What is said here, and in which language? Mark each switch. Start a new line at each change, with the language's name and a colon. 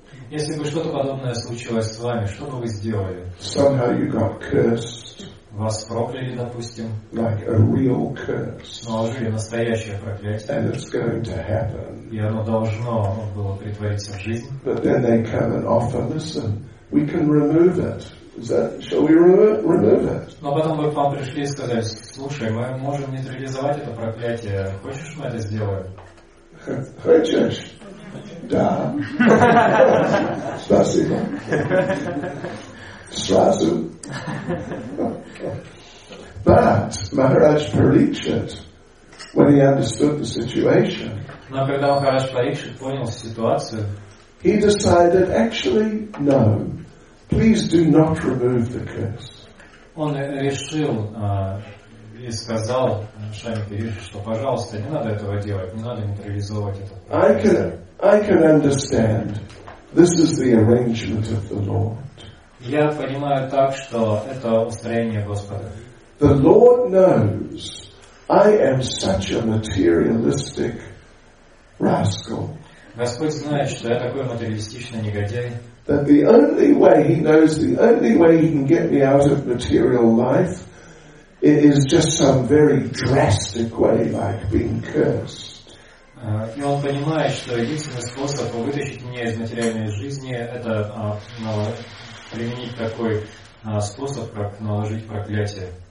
Russian: Если бы что-то подобное случилось с вами, что бы вы сделали?
English: Somehow you got cursed.
Russian: Вас прокляли, допустим.
English: Like a real curse.
Russian: Наложили настоящее проклятие.
English: And it's going to happen.
Russian: И оно должно было притвориться в жизнь.
English: But then they come and offer, listen, we can remove it. Shall we remove it?
Russian: Но потом бы к вам пришли и сказали, слушай, мы можем нейтрализовать это проклятие. Хочешь, мы это сделаем? Хочешь? Да. Спасибо. Сразу.
English: But Maharaj Parikshit, when he understood the situation,
Russian: но когда Махарадж Парикшит понял ситуацию,
English: he decided, actually, no, please do not remove the curse.
Russian: Он решил и сказал Шанаке Риши, что, пожалуйста, не надо этого делать, не надо нейтрализовать это.
English: I can I can understand this is the arrangement of the Lord.
Russian: Я понимаю так, что это устроение Господа.
English: The Lord knows I am such a materialistic rascal.
Russian: Господь знает, что я такой материалистичный негодяй.
English: That the only way he knows, the only way he can get me out of material life, it is just some very drastic way, like being cursed.
Russian: И он понимает, что единственный способ вытащить меня из материальной жизни – это применить такой способ, как наложить проклятие.